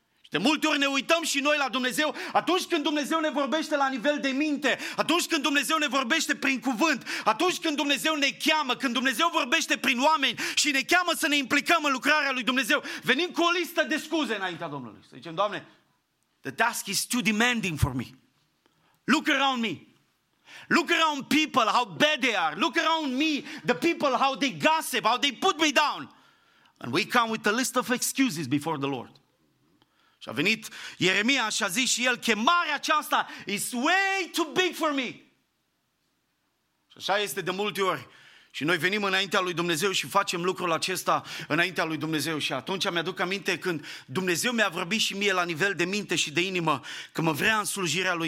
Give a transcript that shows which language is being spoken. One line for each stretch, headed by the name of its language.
Romanian: De multe ori ne uităm și noi la Dumnezeu, atunci când Dumnezeu ne vorbește la nivel de minte, atunci când Dumnezeu ne vorbește prin cuvânt, atunci când Dumnezeu ne cheamă, când Dumnezeu vorbește prin oameni și ne cheamă să ne implicăm în lucrarea lui Dumnezeu, venim cu o listă de scuze înaintea Domnului. Să zicem, Doamne,
English: the task is too demanding for me. Look around me. Look around people, how bad they are. Look around me, the people, how they gossip, how they put me down. And we come with a list of excuses before the Lord.
Romanian: Și a venit Ieremia și a zis și el, chemarea aceasta
English: is way too big for me.
Romanian: Și așa este de multe ori. Și noi venim înaintea lui Dumnezeu și facem lucrul acesta înaintea lui Dumnezeu. Și atunci mi-aduc aminte când Dumnezeu mi-a vorbit și mie la nivel de minte și de inimă, că mă vrea în slujirea lui.